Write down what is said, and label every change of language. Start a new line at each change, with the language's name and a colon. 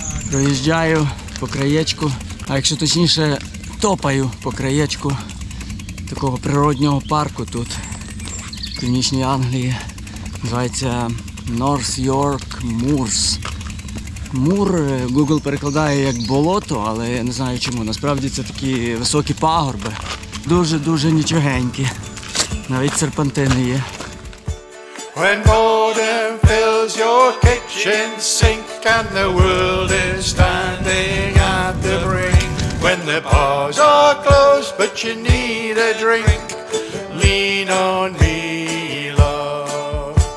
Ukrainian: Проїжджаю по краєчку, а якщо точніше, топаю по краєчку такого природнього парку тут, в північній Англії. Називається North York Moors. Мур Google перекладає як болото, але я не знаю чому. Насправді це такі високі пагорби. Дуже-дуже нічогенькі. Навіть серпантини є.
English: When boredom fills your kitchen sink and the world is standing at the brink, when the bars are closed but you need a drink, lean on me, love.